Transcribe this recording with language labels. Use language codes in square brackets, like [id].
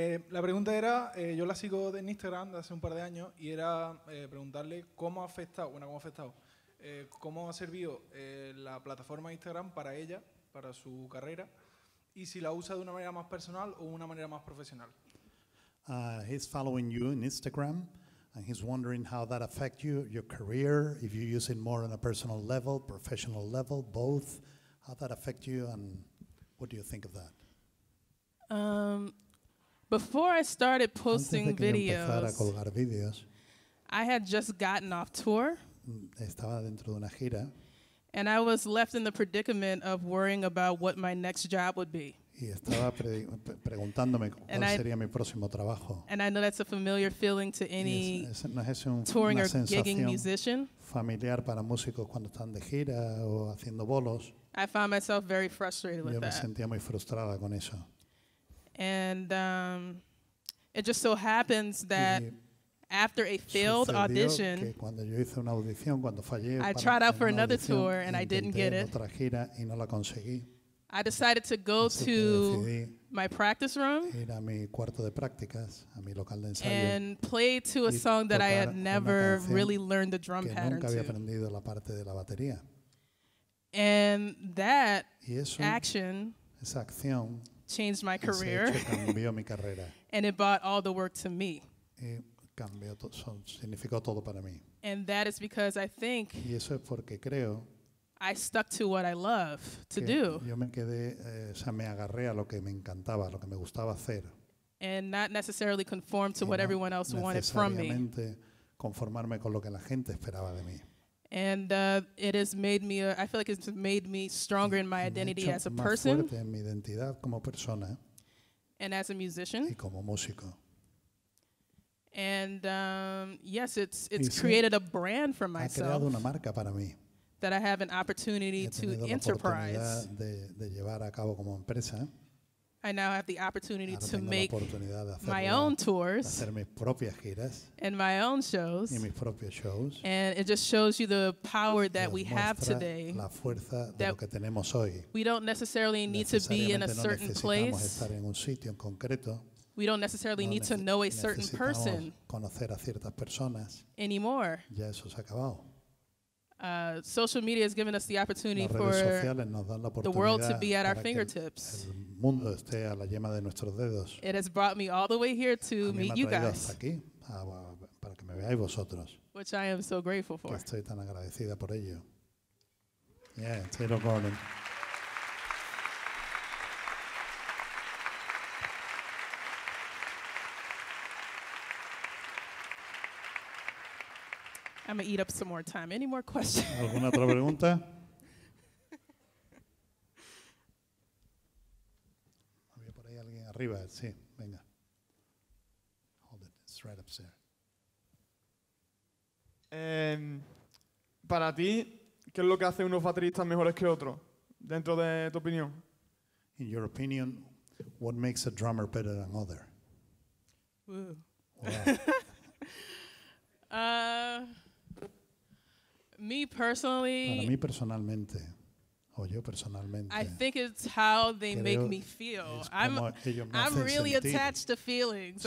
[es] La pregunta era, yo la sigo en Instagram de hace un par de años y era preguntarle cómo ha afectado, bueno, cómo ha servido la plataforma Instagram para ella, para su carrera, y si la usa de una manera más personal o una manera más profesional. [en] He's following you in Instagram and he's wondering how that affects you, your career, if you use it more on a personal level, professional level, both, how that affects you and what do you think of that? Before I started posting videos, I had just gotten off tour. [es] Estaba dentro de una gira. [en] And I was left in the predicament of worrying about what my next job would be. [es] Y estaba preguntándome cuál sería mi próximo trabajo. [en] And I know that's a familiar feeling to any touring or gigging musician. [es] Familiar para músicos cuando están de gira o haciendo bolos. [en] I found myself very frustrated with that. [es] Yo me sentía muy frustrada con eso. [en] And it just so happens that after a failed audition, [es] que cuando yo hice una audición, cuando fallé, [en] I tried out for another tour and I didn't get it. [es] Otra gira y no la conseguí. [en] I decided to go to my practice room [es] ir a mi cuarto de prácticas, a mi local de ensayo, [en] and play to a song that I had never really learned the drum [es] que [en] pattern [es] nunca había [en] to. [es] Aprendido la parte de la batería. [en] And that [es] y eso, [en] action, [es] esa acción, [en] changed my career, [es] cambió mi carrera. [en] And it brought all the work to me. [es] Y cambió significó todo para mí. [en] And that is because I think [es] y eso es porque creo [en] I stuck to what I love to do. [es] Yo me quedé, o sea, me agarré a lo que me encantaba, a lo que me gustaba hacer. [en] And not necessarily conform to [es] y [en] what everyone else wanted from me. [es] Necesariamente conformarme con lo que la gente esperaba de mí. [en] And it has made me, I feel like it's made me stronger in my identity as a person. [es] Más fuerte en mi identidad como persona. [en] And as a musician. [es] Y como músico. [en] And yes, it's created a brand for myself. [es] Ha creado una marca para mí. [en] That I have an opportunity to enterprise. [es] De llevar a cabo como empresa. [en] I now have the opportunity [es] ahora [en] to make my own tours [es] hacer mis propias giras [en] and my own shows. [es] Y mis propios shows. [en] And it just shows you the power that we have today. [es] La fuerza de lo que tenemos hoy. [en] We don't necessarily need to be in a certain place. [es] Estar en un sitio en concreto. [en] We don't necessarily need to know a certain person [es] conocer a ciertas personas [en] anymore. [es] Ya eso se ha acabado. [en] Social media has given us the opportunity for the world to be at our fingertips. [es] Mundo esté a la yema de nuestros dedos. [en] It has brought me all the way here to meet you guys. [es] Hasta aquí, para que me veáis vosotros, [en] which I am so grateful for. [es] Que estoy tan agradecida por ello. [en] Yeah, [es] Taylor Gordon. [en] I'm going to eat up some more time. Any more questions? [es] ¿Alguna otra pregunta? Había por ahí alguien arriba. Sí, venga. [en] Hold it. It's right up there. [es] Para ti, ¿qué es lo que hace unos bateristas mejores que otros? Dentro de tu opinión. [en] In your opinion, what makes a drummer better than other? Woo. [es] Para mí personalmente, o yo personalmente, [en] I think it's how they make me feel. I'm really attached to feelings.